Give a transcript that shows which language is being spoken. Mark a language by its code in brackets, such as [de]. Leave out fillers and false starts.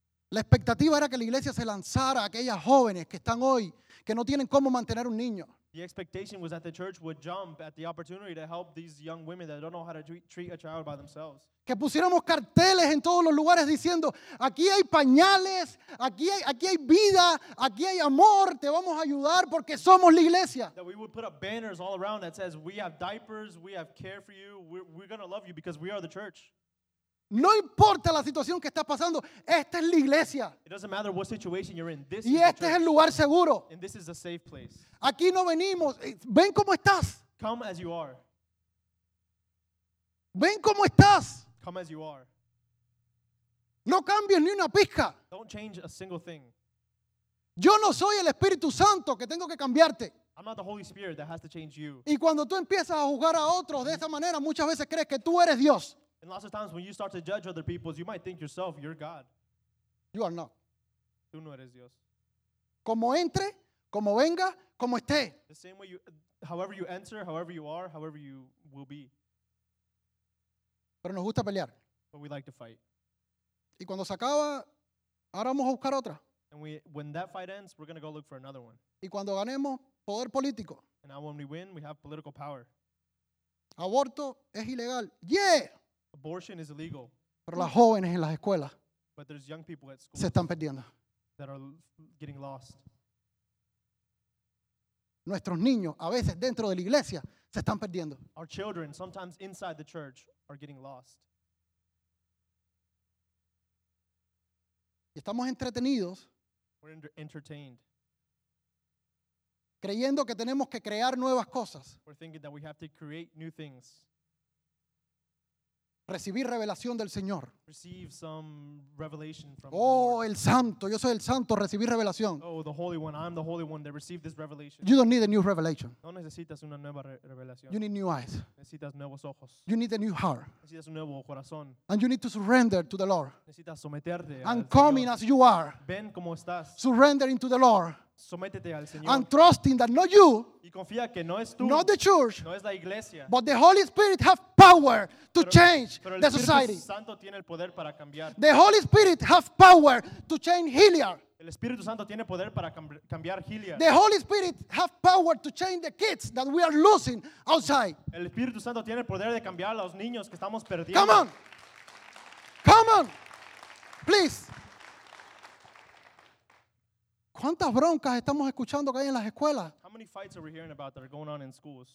[es] La expectativa era que la iglesia se lanzara a aquellas jóvenes que están hoy, que no tienen cómo mantener un niño. [en] The expectation was that the church would jump at the opportunity to help these young women that don't know how to treat a child by themselves. [es] Que pusiéramos carteles en todos los lugares diciendo, aquí hay pañales, aquí hay vida, aquí hay amor, te vamos a ayudar porque somos la iglesia. [en] That we would put up banners all around that says, we have diapers, we have care for you, we're going to love you because we are the church. [es] No importa la situación que estás pasando, esta es la iglesia. [en] It doesn't matter what situation you're in. This [es] y este [en] is [es] es el lugar seguro. [en] And this is a safe place. [es] Aquí no venimos. Ven cómo estás. [en] Come as you are. [es] Ven cómo estás. [en] Come as you are. [es] No cambies ni una pizca. [en] Don't change a single thing. [es] Yo no soy el Espíritu Santo que tengo que cambiarte. [en] I'm not the Holy Spirit that has to change you. [es] Y cuando tú empiezas a juzgar a otros de esa manera, muchas veces crees que tú eres Dios. [en] And lots of times when you start to judge other people, you might think yourself, you're God. You are not. [es] Tú no eres Dios. Como entre, como venga, como esté. [en] The same way you, however you enter, however you are, however you will be. [es] Pero nos gusta pelear. [en] But we like to fight. [es] Y cuando se acaba, ahora vamos a buscar otra. [en] And when that fight ends, we're going to go look for another one. [es] Y cuando ganemos, poder político. [en] And now when we win, we have political power. [es] Aborto es ilegal. Yeah! [en] Abortion is illegal. [es] Pero las jóvenes en las escuelas, [en] but there's young people at school [es] se están perdiendo. [en] That are getting lost. [es] Nuestros niños, a veces dentro de la iglesia, se están perdiendo. [en] Our children, sometimes inside the church, are getting lost. [es] Y estamos entretenidos. [en] We're entertained. [es] Creyendo que tenemos que crear nuevas cosas. [en] We're thinking that we have to create new things. [es] Recibir revelación del Señor. [en] Receive some revelation from [es] oh, el Santo, yo soy el Santo, recibir revelación. [en] Oh, the Holy One, I'm the Holy One that received this revelation. You don't need a new revelation. [es] No necesitas una nueva revelación. [en] You need new eyes. [es] Necesitas nuevos ojos. [en] You need a new heart. [es] Necesitas un nuevo corazón. [en] And you need to surrender to the Lord. [es] Necesitas someterte al [en] Señor. And coming as you are. [es] Ven como estás. [en] Surrendering to the Lord. [es] Sométete al Señor. [en] And trusting that not you, [es] y confía que no es tú, [en] not the church, [es] no es la iglesia, [en] but the Holy Spirit have power to change the society. [es] Santo tiene el poder para cambiar. [en] The Holy Spirit have power to change Hilliard. [es] El Espíritu Santo tiene poder para cambiar Hilliard. [en] The Holy Spirit have power to change the kids that we are losing outside. [es] El Espíritu Santo tiene el poder de cambiar a los niños que estamos perdiendo. [en] Come on. Come on. Please. [es] ¿Cuántas broncas estamos escuchando que hay en las escuelas? [en] How many fights are we hearing about that are going on in schools?